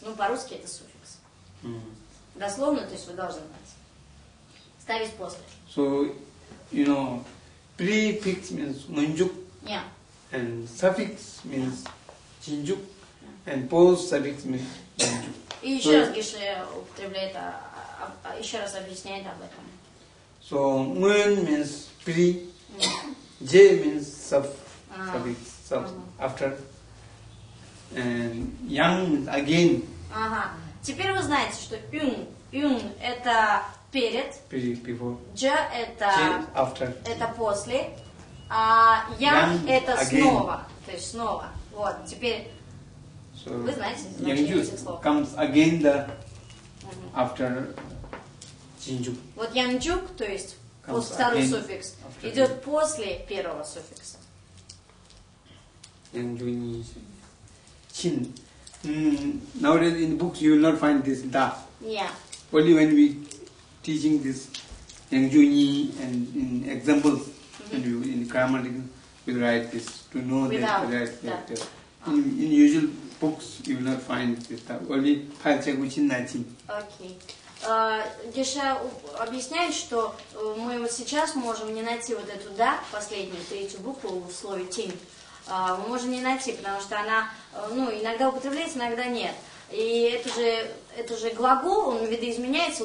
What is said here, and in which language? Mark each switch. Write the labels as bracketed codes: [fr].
[ru] Ну, по-русски это суффикс. Дословно, то есть вы должны знать. Ставить после. [en] So, you know, prefix means мджук. And suffix means чинджук, and post suffix means чинджук. [ru] И еще раз Гиша употребляет, еще раз объясняет об этом. [en] So, мун means при, j means suffix, after, and young means again. [ru] Теперь вы знаете, что юн это перед, [en] before, [ru] j это [en] after, [ru] это после. А ян это again. Снова, то есть снова. Вот, теперь [en] so, [ru] вы знаете значение этих слов. [en] Comes again the after чинджук. [ru] Вот янджук, то есть после второго суффикса, идет после первого суффикса. [en] Янджуни чин. Nowadays in the books you will not find this da. Yeah. Only when we teaching this янджуни and in examples. And you, in grammar, you will write this to know without that. That. In usual books, you will not find this. Only пальцы гучин начин. Okay. [ru] Геша объясняет, что мы вот сейчас можем не найти вот эту да последнюю третью букву в слове тень. Мы можем не найти, потому что она, ну, иногда употребляется, иногда нет. И это же глагол, он видоизменяется.